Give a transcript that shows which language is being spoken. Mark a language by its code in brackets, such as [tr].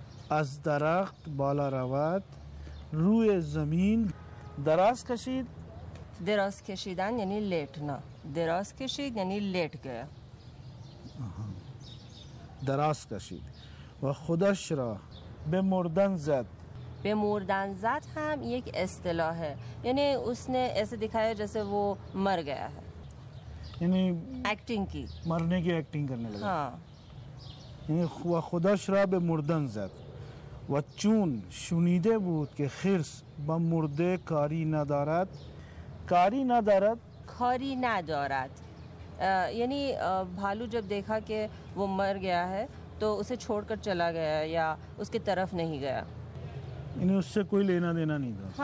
[fa] از درخت بالا رود، روی زمین دراز کشید. دراز کشیدن یعنی لیٹنا. دراز کشید یعنی لیٹ گیا. دراز کشید و خودش را به مردن زد. به مردن زد هم یک اصطلاحه، [ur] یعنی اس نے ایسے دکھایا جیسے وہ مر گیا ہے، [fa] یعنی [ur] ایکٹنگ کی، مرنے کی ایکٹنگ کرنے لگا. یعنی [fa] و خودش را به مردن زد. و چون شنیده بود که خرس با مرده کاری ندارد. کاری ندارد، کاری ندارد [ur] یعنی بھالو جب دیکھا کہ وہ مر گیا ہے تو اسے چھوڑ کر چلا گیا یا اس کے طرف نہیں گیا، یعنی اس سے کوئی لینا دینا نہیں تھا.